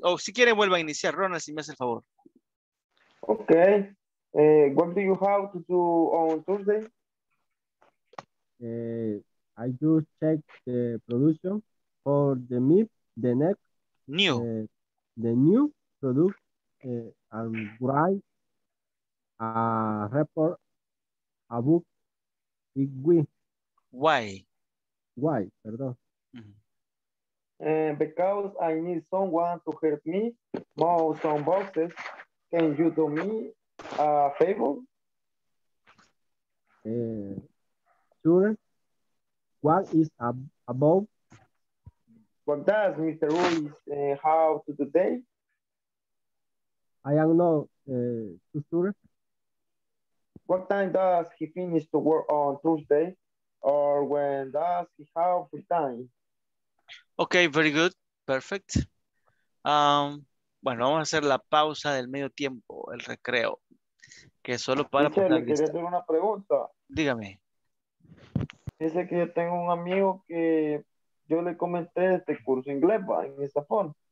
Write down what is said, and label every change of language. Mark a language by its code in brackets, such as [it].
[es] O si quiere, vuelva a iniciar, Ronald, si me hace el favor. Ok. [en] What do you have to do on Tuesday? I just checked the production for the MIP, the next new. The new product and write a report. A book. Why? Because I need someone to help me move some boxes. Can you do me a favor? Sure. What is about? What does Mr. Ruiz have to today? I am not sure. What time does he finish to work on Tuesday, or when does he have free time? Okay, very good, perfect. [es] Bueno, vamos a hacer la pausa del medio tiempo, el recreo, que es solo para poner lista. Quería hacer una pregunta. Dígame. Dice que yo tengo un amigo que yo le comenté este curso inglés, ¿va? En esa forma.